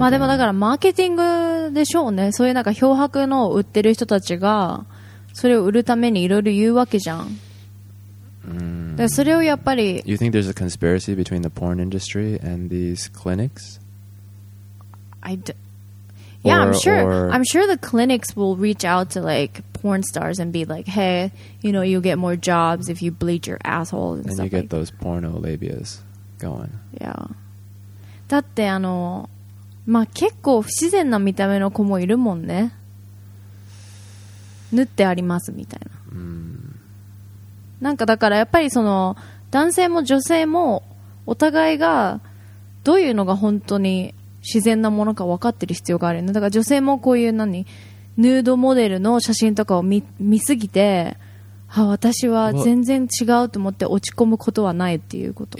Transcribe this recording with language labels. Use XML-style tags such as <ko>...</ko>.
<ja>まあでもだからマーケティングでしょうね。そういうなんか漂白のを売ってる人たちが。それを売るためにいろいろ言うわけじゃん。で、それをやっぱり。</ja> <en>You think there's a conspiracy between the porn industry and these clinics? I'm sure the clinics will reach out to like porn stars and be like, hey, you know, you'll get more jobs if you bleach your asshole and stuff. And you get like those porno labias going. Yeah.</en> <ja>だってあの、まあ結構不自然な見た目の子もいるもんね。塗ってありますみたいな。なんかだからやっぱりその男性も女性もお互いがどういうのが本当に自然なものか分かってる必要があるの。だから女性もこういう何ヌードモデルの写真とかを 見すぎて、あ、私は全然違うと思って落ち込むことはないっていうこと。</ja>